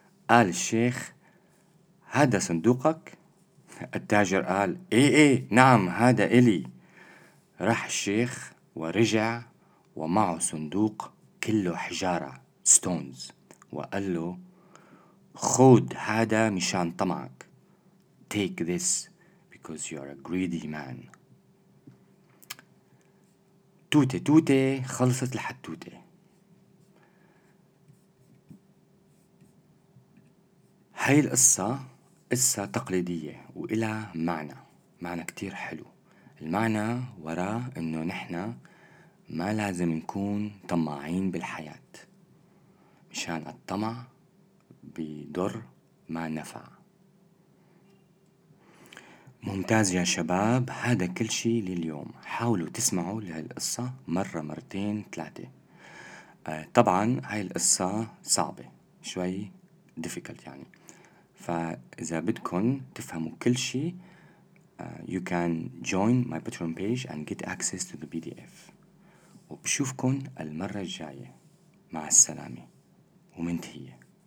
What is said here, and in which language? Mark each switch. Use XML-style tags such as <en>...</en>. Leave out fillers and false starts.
<ar>قال الشيخ: هذا صندوقك؟ التاجر قال: ايه نعم هذا إلي. راح الشيخ ورجع ومعه صندوق كله حجارة ستونز، وقال له: خود هذا مشان طمعك.</ar> <en>Take this because you're a greedy man.</en> <ar>توتة خلصت الحتوتة. هاي القصة قصة تقليدية وإلى معنى كتير حلو. المعنى وراء إنه نحنا ما لازم نكون طماعين بالحياة، مشان الطمع بضر ما نفع. ممتاز يا شباب، هذا كل شيء لليوم. حاولوا تسمعوا لهالقصة مرة مرتين ثلاثة. طبعا هاي القصة صعبة شوي، difficult يعني، فإذا بدكن تفهموا كل شيء</ar> <en>You can join my Patreon page and get access to the PDF.</en> <ar>وبشوفكن المرة الجاية. مع السلامة ومنتهية.</ar>